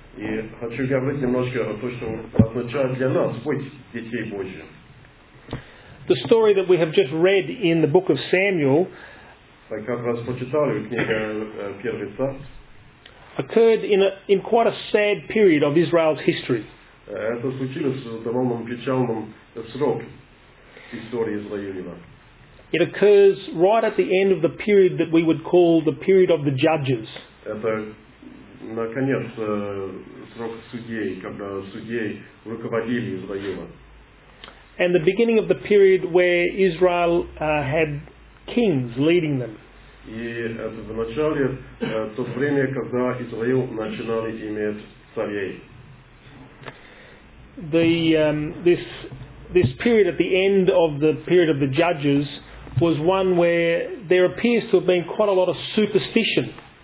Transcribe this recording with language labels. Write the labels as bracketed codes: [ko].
[en] The story that we have just read in the book of Samuel occurred in quite a sad period of Israel's history. [ru] Это случилось в довольно печальном сроке истории Израиля. [en] It occurs right at the end of the period that we would call the period of the judges. [ru] Это на конец срок судей, когда судей руководили Израилем. [en] And the beginning of the period where Israel had kings leading them. [ru] И это в начале то время, когда Израиль начинали иметь царей. [en] This period at the end of the period of the judges was one where there appears to have been quite a lot of superstition.